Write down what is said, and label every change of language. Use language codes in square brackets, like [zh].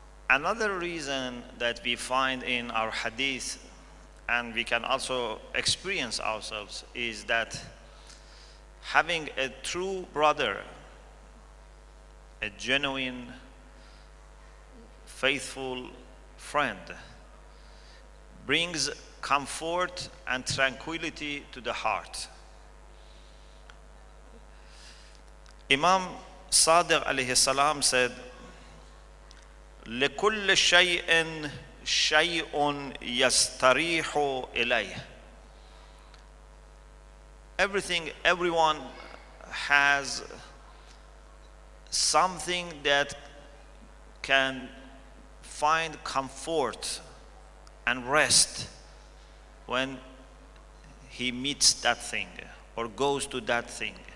[en] Another reason that we find in our hadith, and we can also experience ourselves, is that having a true brother, a genuine, faithful friend, brings comfort and tranquility to the heart. Imam Sadiq alayhi salam said, [ar] لكل شيء شيء يستريح إليه. [en] Everything, everyone has something that can find comfort and rest when he meets that thing or goes to that thing.